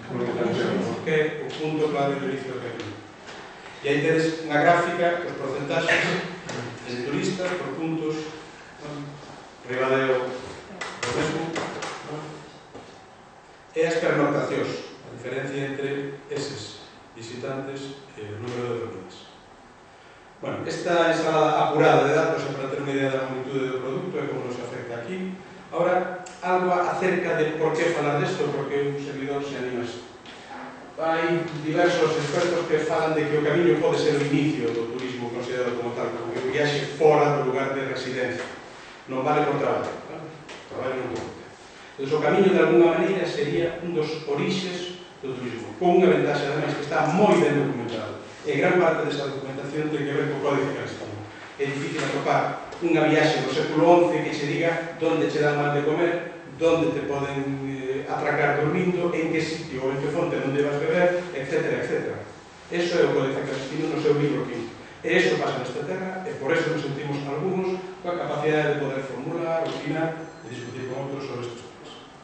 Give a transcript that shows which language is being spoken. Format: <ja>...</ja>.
<gl>Porque o punto clave do inicio que aquí. E aí tedes unha gráfica, os porcentaxes de turistas, por puntos, Ribadeo, o mesmo, e as pernoctacións, a diferencia entre eses visitantes e o número de dormidas.</gl> <es>Bueno, esta es la apurada de datos para tener una idea de la magnitud del producto y cómo nos afecta aquí. Ahora, algo acerca de por qué hablar de esto, porque un servidor se anima a esto. Hay diversos expertos que hablan de que el camino puede ser el inicio del turismo considerado como tal, como que viaje fuera del lugar de residencia. No vale por trabajo, ¿vale? Trabajo no importa. Entonces, el camino de alguna manera sería uno de los orígenes del turismo, con una ventaja además que está muy bien documentado.</es> <gl>E gran parte desa documentación ten que ver co Código Cristiano. É difícil atopar unha viaxe do século XI que se diga donde che dan mal de comer, donde te poden atracar dormindo, en que sitio ou en que fonte non debas beber, etc. Eso é o Código Cristiano no seu libro quinto. E eso pasa nesta terra, e por eso nos sentimos algunos coa capacidade de poder formular, opinar e discutir con outros sobre estes temas.</gl>